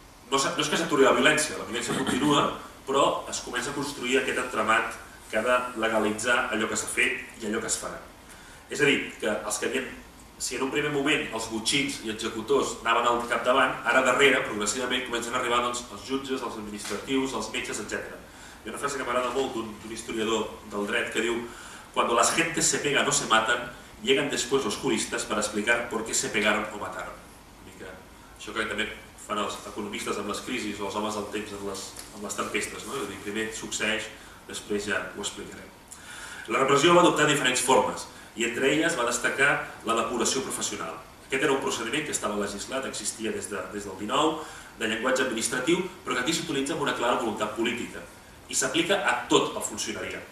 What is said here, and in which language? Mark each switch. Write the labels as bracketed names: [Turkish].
[Catalan] No és que s'aturi la violència continua, però es comença a construir aquest entramat que ha de legalitzar allò que s'ha fet i allò que es farà. És a dir, que els que havien, si en un primer moment els botxins i executors anaven al capdavant, ara darrere, progressivament, comencen a arribar doncs, els jutges, els administratius, els metges, etc. Hi ha una frase que m'agrada molt d'un historiador del dret que diu [Spanish] «Cuando las gentes se pegan o se matan, llegan después los juristas para explicar por qué se pegaron o mataron». [Catalan] Una mica, això que també fan els economistes amb les crisis o els homes del temps amb les tempestes, no? És a dir, primer succeeix, després ja ho explicarem. La repressió va adoptar diferents formes i entre elles va destacar la depuració professional. Aquest era un procediment que estava legislat, existia des del 19, de llenguatge administratiu, però que aquí s'utilitza amb una clara voluntat política i s'aplica a tot el funcionariat.